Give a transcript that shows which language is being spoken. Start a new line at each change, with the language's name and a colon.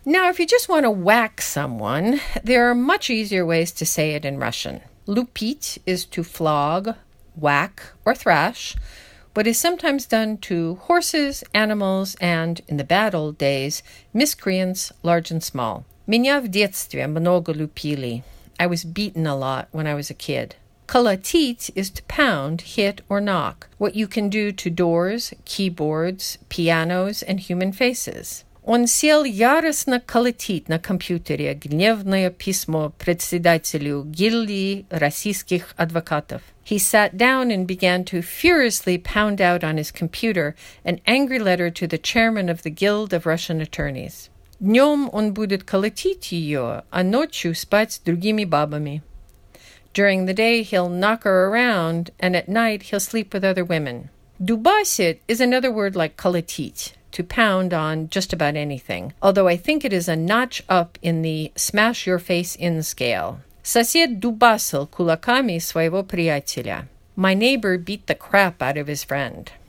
English: Now, if you just want to whack someone, there are much easier ways to say it in Russian. Lupить is to flog, whack, or thrash, but is sometimes done to horses, animals, and, in the bad old days, miscreants, large and small.
Russian: Меня в детстве много лупили.
English: I was beaten a lot when I was a kid. Колотить is to pound, hit, or knock. What you can do to doors, keyboards, pianos, and human faces.
Russian: Он сел яростно колотить на компьютере гневное письмо председателю гильдии российских адвокатов.
English: He sat down and began to furiously pound out on his computer an angry letter to the chairman of the Guild of Russian Attorneys.
Russian: Днем он будет колотить ее, а ночью спать с другими бабами.
English: During the day, he'll knock her around, and at night, he'll sleep with other women. Дубасит is another word like колотить, to pound on just about anything, although I think it is a notch up in the smash your face in scale.
Russian: Сосед дубасил кулаками своего приятеля.
English: My neighbor beat the crap out of his friend.